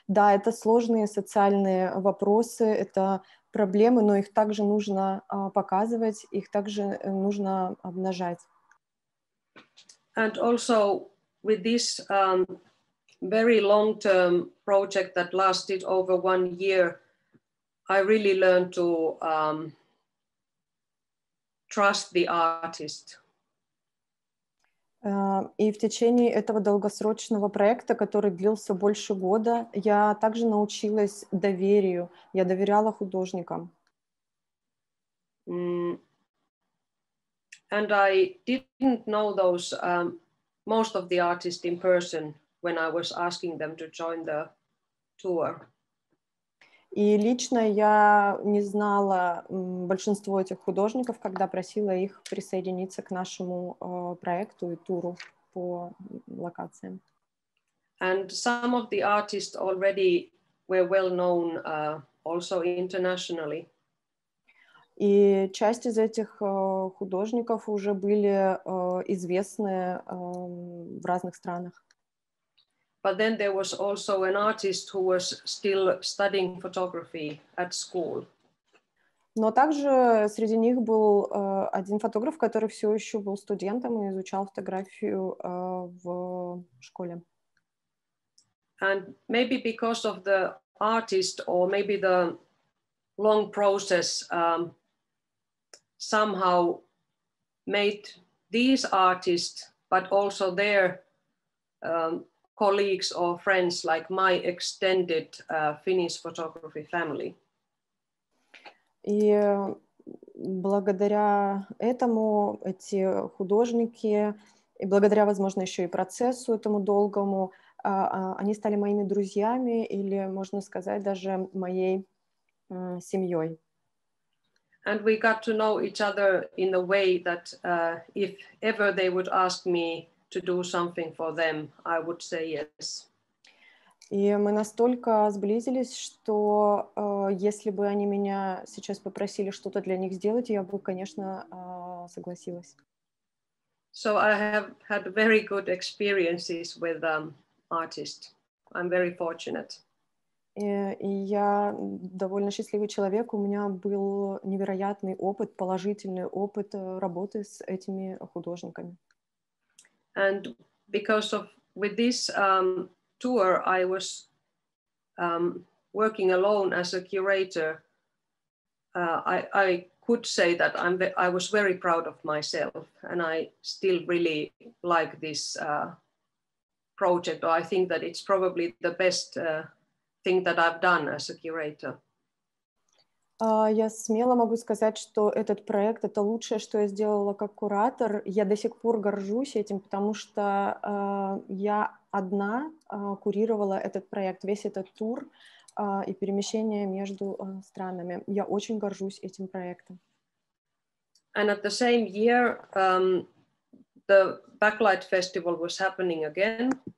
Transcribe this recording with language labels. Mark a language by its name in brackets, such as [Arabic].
[Russian] Да, это сложные социальные вопросы, это проблемы, но их также нужно показывать, их также нужно обнажать. [English] And also with this very long-term project that lasted over 1 year, I really learned to trust the artist. [Russian] И в течение этого долгосрочного проекта, который длился больше года, я также научилась доверию. Я доверяла художникам. [English] And I didn't know those most of the artists in person when I was asking them to join the tour. [Russian] И лично я не знала большинство этих художников, когда просила их присоединиться к нашему проекту и туру по локациям. [English] And some of the artists already were well known also internationally. [Russian] И часть из этих художников уже были известны в разных странах. [English] But then there was also an artist who was still studying photography at school. [Russian] Но также среди них был один фотограф, который все еще был студентом и изучал фотографию в школе. [English] And maybe because of the artist or maybe the long process somehow made these artists, but also their colleagues or friends like my extended Finnish photography family. [Russian] И благодаря этому эти художники, и благодаря, возможно, еще и процессу этому долгому, они стали моими друзьями или, можно сказать, даже моей семьей. [English] And we got to know each other in a way that if ever they would ask me to do something for them, I would say yes. [Russian] И мы настолько сблизились, что если бы они меня сейчас попросили что-то для них сделать, я бы, конечно, согласилась. [English] So I have had very good experiences with artists. I'm very fortunate. [Russian] И я довольно счастливый человек. У меня был невероятный опыт, положительный опыт работы с этими художниками. [English] And because of with this tour, I was working alone as a curator. I could say that I was very proud of myself, and I still really like this project. I think that it's probably the best thing that I've done as a curator. [Russian] Я смело могу сказать, что этот проект — это лучшее, что я сделала как куратор. Я до сих пор горжусь этим, потому что я одна курировала этот проект, весь этот тур и перемещение между странами. Я очень горжусь этим проектом. [English] And at the same year, the Backlight Festival was happening again.